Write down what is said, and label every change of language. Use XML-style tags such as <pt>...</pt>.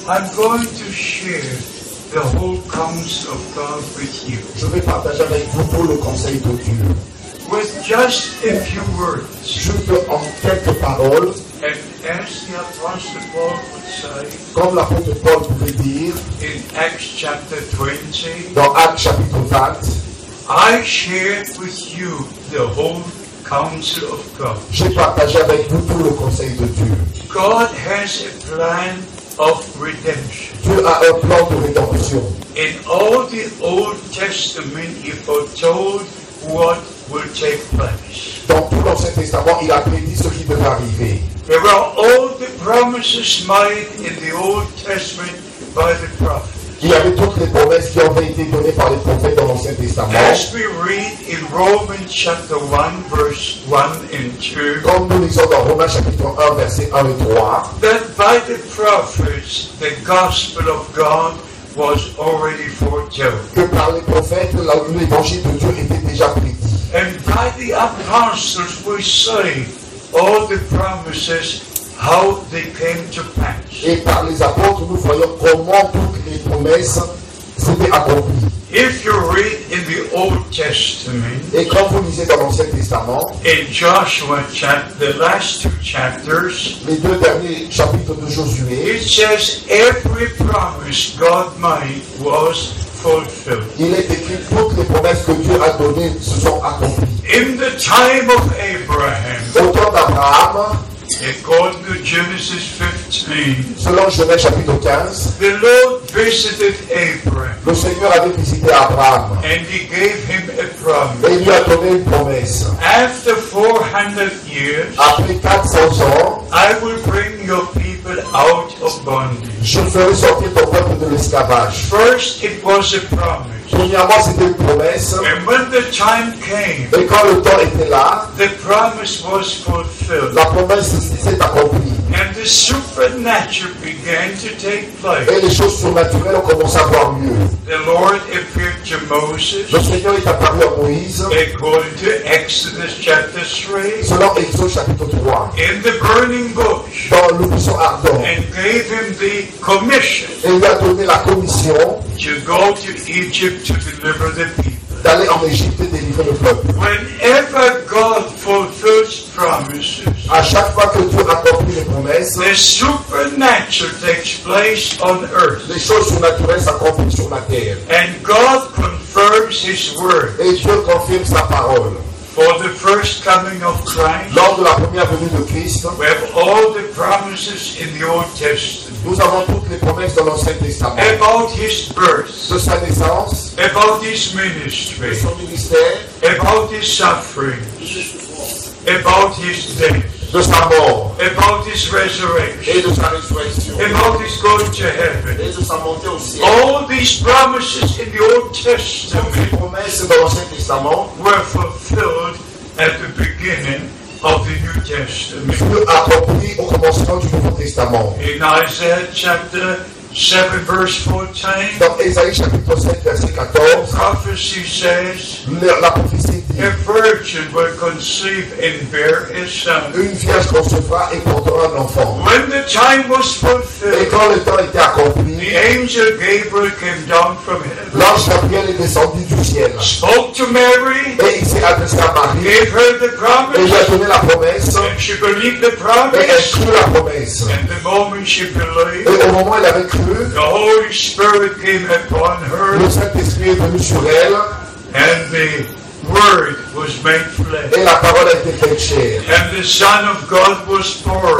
<en>I'm going to share the whole counsel of God with you.</en> <fr>Je vais partager avec vous tout le conseil de Dieu.</fr> <en>With just a few words.</en> <fr>Juste en quelques paroles.</fr> <en>And as the apostle Paul would say.</en> <fr>Comme l'apôtre Paul pouvait dire.</fr> <en>In Acts chapter 20.</en> <fr>Dans Actes chapitre 20.</fr> <en>I share with you the whole counsel of God.</en> <fr>J'ai partagé avec vous tout le conseil de Dieu.</fr> <en>God has a plan of redemption.</en> <fr>Dieu a un plan de rédemption.</fr> <en>In all the Old Testament, he foretold what will take place.</en> <fr>Dans tout l'Ancien Testament, il a prédit ce qui devait arriver.</fr> <en>There were all the promises made in the Old Testament by the prophets.</en> <fr>Il y avait toutes les promesses qui ont été données par les prophètes dans l'Ancien Testament.</fr> <en>As we read in Romans chapter 1, verse 1 and 2,</en> <fr>comme nous lisons dans Romains chapitre 1, verset 1 et 3,</fr> <en>that by the prophets, the gospel of God was already foretold.</en> <fr>Que par les prophètes, l'évangile de Dieu était déjà prédit.</fr> <en>And by the apostles, we say all the promises. How they came to pass.</en> <fr>Et par les apôtres, nous voyons comment toutes les promesses s'étaient accomplies.</fr> <en>If you read in the Old Testament,</en> <fr>et quand vous lisez dans l'Ancien Testament,</fr> <en>in Joshua chapter, the last two chapters,</en> <fr>les deux derniers chapitres de Josué,</fr> <en>it says every promise God made was fulfilled.</en> <fr>Il est écrit que toutes les promesses que Dieu a données se sont accomplies.</fr> <en>In the time of Abraham,</en> <fr>au temps d'Abraham,</fr> <en>according to Genesis 15,</en> <fr>selon Genèse chapitre 15,</fr> <en>the Lord visited Abraham.</en> <fr>Le Seigneur avait visité Abraham.</fr> <en>And he gave him a promise.</en> <fr>Et il lui a donné une promesse.</fr> <en>After 400 years,</en> <fr>après 400 ans,</fr> <en>I will bring your people out of bondage.</en> <fr>Je ferai sortir ton peuple de l'esclavage.</fr> <en>First, it was a promise.</en> <fr>Premièrement, c'était une promesse.</fr> <en>And when the time came,</en> <fr>et quand le temps était là,</fr> <en>the promise was fulfilled.</en> <fr>La promesse s'est accomplie.</fr> <en>And the supernatural began to take place.</en> <fr>Et les choses surnaturelles ont commencé à avoir lieu.</fr> <en>The Lord appeared to Moses,</en> <fr>le Seigneur est apparu à Moïse.</fr> <en>According to Exodus chapter 3,</en> <fr>selon Exode chapitre 3.</fr> <en>In the burning bush,</en> <fr>dans le buisson ardent.</fr> <en>And gave him the commission,</en> <fr>et lui a donné la commission.</fr> <en>To go to Egypt to deliver the people.</en> <fr>D'aller en Égypte et délivrer le peuple.</fr> <en>Whenever God fulfills promises,</en> <fr>à chaque fois que Dieu accomplit les promesses,</fr> <en>the supernatural takes place on earth.</en> <fr>Les choses surnaturelles s'accomplissent sur la terre.</fr> <en>And God confirms His word.</en> <fr>Et Dieu confirme sa parole.</fr> <en>For the first coming of Christ,</en> <fr>lors de la première venue de Christ,</fr> <en>we have all the promises in the Old Testament.</en> <fr>Nous avons toutes les promesses dans l'Ancien Testament.</fr> <en>About his birth,</en> <fr>de sa naissance.</fr> <en>About his ministry,</en> <fr>de son ministère.</fr> <en>About his suffering, about his death,</en> <fr>de sa mort.</fr> <en>About his resurrection,</en> <fr>et de sa résurrection.</fr> <en>About his going to heaven,</en> <fr>et de sa montée au ciel.</fr> <en>All these promises in the Old Testament,</en> <fr>toutes les promesses dans l'Ancien Testament,</fr> <en>were fulfilled at the beginning of the New Testament.</en> <fr>Accomplies au commencement du Nouveau Testament.</fr> <en>In Isaiah chapter 7, verse 14.</en> <fr>Dans Ésaïe chapitre 7, verset 14.</fr> <en>Prophecy says,</en> <fr>la prophétie dit,</fr> <en>a virgin will conceive and bear a son.</en> <fr>Une vierge concevra et portera un enfant.</fr> <en>When the time was fulfilled,</en> <fr>et quand le temps était accompli,</fr> <en>the angel Gabriel came down from heaven.</en> <fr>L'ange Gabriel est descendu du ciel.</fr> <en>Spoke to Mary.</en> <fr>Et il s'est adressé à Marie.</fr> <en>Gave her the promise.</en> <fr>Et lui a donné la promesse.</fr> <en>And she believed the promise.</en> <fr>Et elle crut la promesse.</fr> <en>And the moment she believed,</en> <fr>et au moment où elle avait cru,</fr> <en>the Holy Spirit came upon her.</en> <fr>Le Saint-Esprit est venu sur elle.</fr> <en>And the Word was made flesh.</en> <fr>Et la parole a été faite chair.</fr> <en>And the Son of God was born.</en>